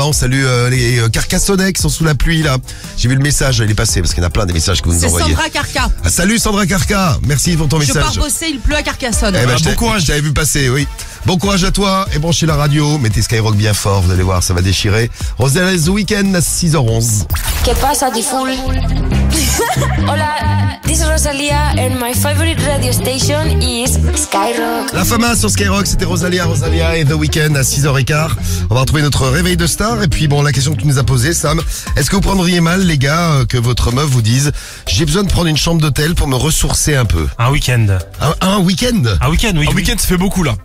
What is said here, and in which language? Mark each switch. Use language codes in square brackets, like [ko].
[fr] On salue les Carcassonnais qui sont sous la pluie là. J'ai vu le message. Il est passé parce qu'il y en a plein des messages que vous c'est nous envoyez. Sandra Carca. Ah, salut Sandra Carca. Merci pour ton message. Je pars bosser. Il pleut à Carcassonne. Eh ben, bon courage. J'avais vu passer. Oui. Bon courage à toi. Et branchez la radio. Mettez Skyrock bien fort. Vous allez voir, ça va déchirer. Rosalía The Weeknd à 6h11. [es] Que pasa, di full. [en] Hola, this is Rosalía and my favorite radio station is Skyrock. [fr] La fama sur Skyrock, c'était Rosalía et The Weeknd à 6h15. On va retrouver notre réveil de star. Et puis bon, la question que tu nous as posée, Sam, est-ce que vous prendriez mal, les gars, que votre meuf vous dise j'ai besoin de prendre une chambre d'hôtel pour me ressourcer un peu? Un week-end. Un week-end? Un week-end, oui. Un week-end, ça fait beaucoup là.